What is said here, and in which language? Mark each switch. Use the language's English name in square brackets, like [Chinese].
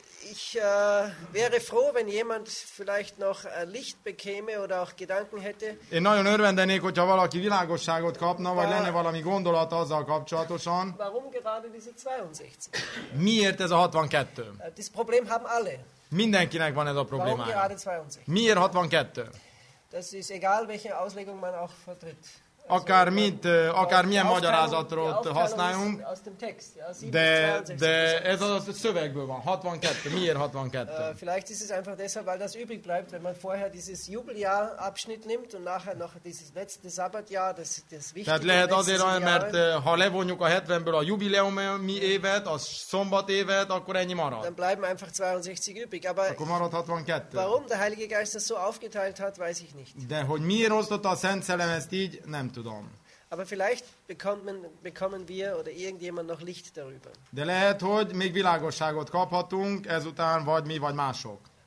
[German] Ich wäre froh, wenn jemand vielleicht noch Licht bekäme oder auch Gedanken hätte. [Hungarian] Én nagyon örvendenék, hogyha valaki világosságot kapna, vagy lenne valami gondolata azzal kapcsolatosan. [German] Warum gerade diese 62? [Hungarian] Miért ez a 62? [German] Das Problem haben alle. [Hungarian] Mindenkinek van ez a problémája. [German] Warum gerade 62? [Hungarian] Miért 62? [German] Das ist egal, welche Auslegung man auch vertritt. [Hungarian] Akár milyen magyarázatot használjunk, de ez az a szövegből van. 62. Miért 62? [German] Vielleicht ist es einfach deshalb, weil das übrig bleibt, wenn man vorher dieses Jubeljahr Abschnitt nimmt und nachher noch dieses letzte Sabbatjahr, das wichtige. [Hungarian] Tehát lehet azért, mert ha levonjuk a 70-ből a jubileumi évet, a szombat évet, akkor ennyi marad. [German] Dann bleiben einfach 62 übrig. Aber [Hungarian] akkor marad 62. [German] Warum der Heilige Geist das so aufgeteilt hat, weiß ich nicht. [Hungarian] De hogy miért osztotta a Szent Szellem ezt így, nem tudom. [German] Aber vielleicht bekommen wir oder irgendjemand noch Licht darüber. [Hungarian] De lehet, hogy még világosságot kaphatunk ezután, vagy mi, vagy mások.